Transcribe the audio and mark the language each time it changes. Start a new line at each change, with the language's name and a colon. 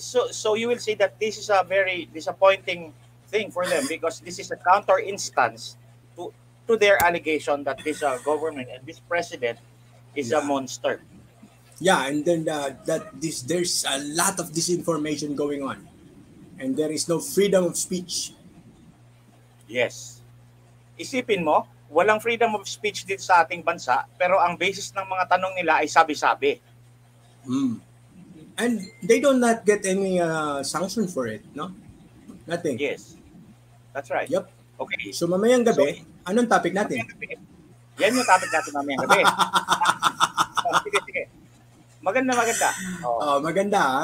English: So you will see that this is a very disappointing thing for them because this is a counter instance to their allegation that this government and this president is a monster. Yeah, and then there's a lot of disinformation going on, and there is no freedom of speech. Yes.
Filipino: Isipin mo, walang freedom of speech dito sa ating bansa, pero ang basis ng mga tanong nila ay sabi-sabi. Mm.
English: And they do not get any sanction for it, no? Nothing. Yes. That's right. Yep. Okay.
Filipino: So mamayang gabi, anong topic natin? Yan yung topic natin mamayang gabi. Sige. Maganda.